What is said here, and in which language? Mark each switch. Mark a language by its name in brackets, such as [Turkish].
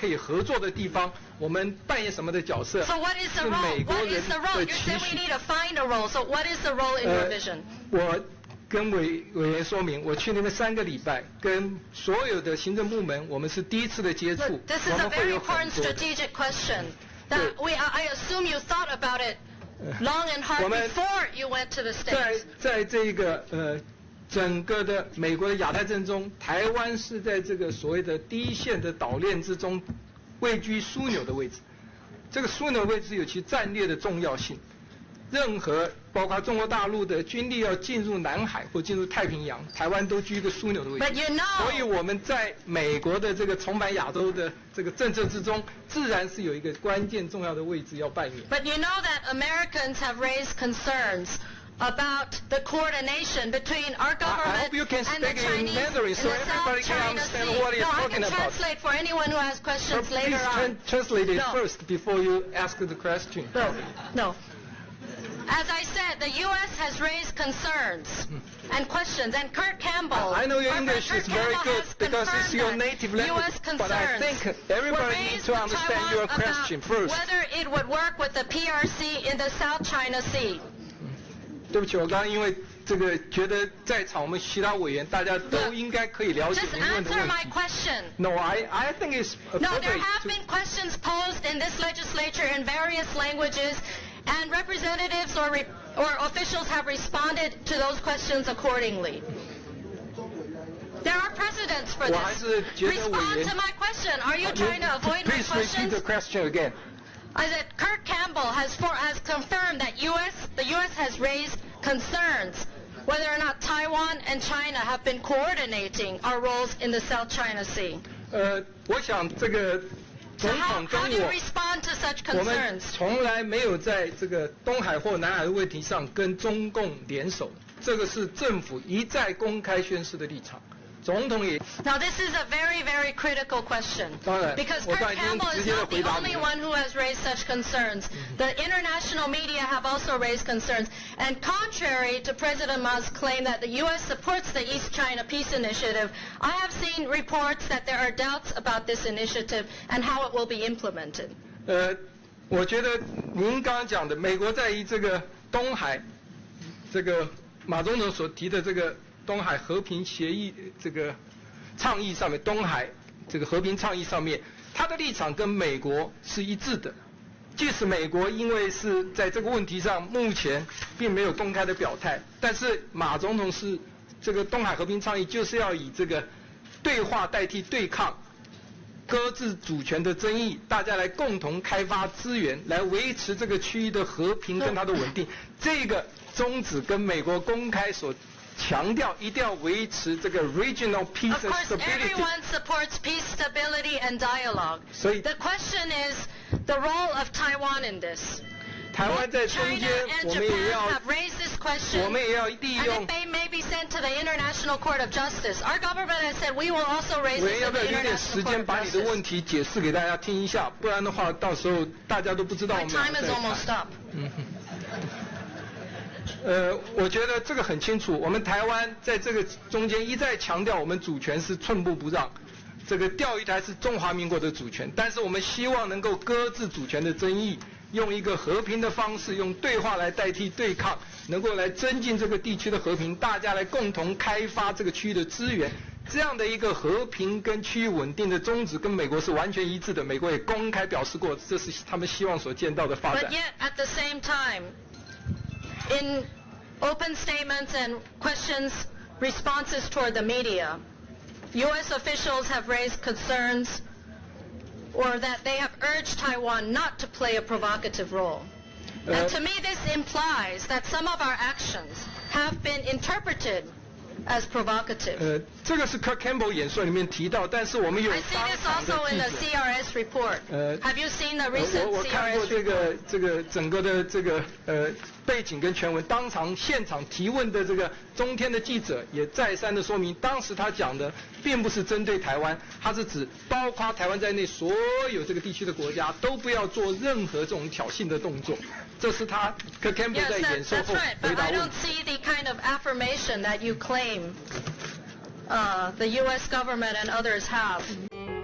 [Chinese] 所以我觉得我刚才已经在报告里面讲得很清楚了，我们必须在美国这个重返亚太这个政策之中找到对于台美关系啊有什么可以合作的地方，我们扮演什么的角色。 [English] So what is the role? You said we need to find a role, so what is the role in your vision? [Chinese] 我跟委员说明，我去那边三个礼拜，跟所有的行政部门，我们是第一次的接触。 [English] This is a very important strategic question that I assume you thought about it long and hard before you went to the States. [Chinese] 在这个整个的美国的亚太阵中，台湾是在这个所谓的第一线的岛链之中，位居枢纽的位置。这个枢纽位置有其战略的重要性。任何包括中国大陆的军力要进入南海或进入太平洋，台湾都居一个枢纽的位置。 [English] But you know, [Chinese] 所以我们在美国的这个重返亚洲的这个政策之中，自然是有一个关键重要的位置要扮演。 [English] But you know that Americans have raised concerns about the coordination between our government and the Chinese in the South China Sea. I hope you can speak in Mandarin so everybody can understand what you're talking about. No, I can translate for anyone who has questions later on. Please translate it first before you ask the question. No. As I said, the U.S. has raised concerns and questions, and Kurt Campbell. I know your English is very good because it's your native language, but I think everybody needs to understand your question first. Whether it would work with the PRC in the South China Sea. [Chinese] 对不起，我刚刚因为这个觉得在场我们其他委员大家都应该可以了解您问的问题。 [English] Just answer my question. No, I think it's no. There have been questions posed in this legislature in various languages. And representatives or officials have responded to those questions accordingly. There are precedents for this. Respond to my question. Are you trying to avoid my question? Please repeat the question again. I said Kurt Campbell has confirmed that the U.S. has raised concerns whether or not Taiwan and China have been coordinating our roles in the South China Sea. [Chinese] 我想这个 [English] How do you respond to such concerns? [Chinese] 我们从来没有在这个东海或南海的问题上跟中共联手，这个是政府一再公开宣示的立场。总统也。 [English] Now this is a very, very critical question. [Chinese] 当然，我刚才已经直接回答你了。 [English] Because Kurt Campbell is not the only one who has raised such concerns. The international media have also raised concerns. And contrary to President Ma's claim that the U.S. supports the East China Peace Initiative, I have seen reports that there are doubts about this initiative and how it will be implemented. [Chinese] 我觉得您刚刚讲的，美国在于这个东海，这个马总统所提的这个。东海和平协议这个倡议上面，东海这个和平倡议上面，他的立场跟美国是一致的。即使美国因为是在这个问题上目前并没有公开的表态，但是马总统是这个东海和平倡议就是要以这个对话代替对抗，搁置主权的争议，大家来共同开发资源，来维持这个区域的和平跟它的稳定。这个宗旨跟美国公开所强调一定要维持这个 [English] regional peace and stability. Of course, everyone supports peace, stability, and dialogue. So the question is the role of Taiwan in this. [Chinese] Taiwan 在中间，我们也要。我们也要利用。 [English] And if they may be sent to the International Court of Justice, our government has said we will also raise this. [Chinese] 委员要不要有点时间把你的问题解释给大家听一下？不然的话，到时候大家都不知道我们在谈。 [English] My time is almost up. [Chinese] 我觉得这个很清楚，我们台湾在这个中间一再强调我们主权是寸步不让，这个钓鱼台是中华民国的主权，但是我们希望能够搁置主权的争议，用一个和平的方式，用对话来代替对抗，能够来增进这个地区的和平，大家来共同开发这个区域的资源，这样的一个和平跟区域稳定的宗旨跟美国是完全一致的，美国也公开表示过这是他们希望所见到的发展。 [English] But yet at the same timeIn open statements and questions, responses toward the media, U.S. officials have raised concerns or that they have urged Taiwan not to play a provocative role. And to me, this implies that some of our actions have been interpreted as provocative. [Chinese] 这个是 Kurt Campbell 演说里面提到，但是我们有当场的记者。 [English] I see this also in the CRS report. Have you seen the recent CRS report? [Chinese] 我看过这个整个的这个背景跟全文，当场现场提问的这个中天的记者也再三的说明，当时他讲的并不是针对台湾，他是指包括台湾在内所有这个地区的国家都不要做任何这种挑衅的动作。这是他 Kurt Campbell 在演说后回答问题。 [English] But I don't see the kind of affirmation that you claim. The U.S. government and others have.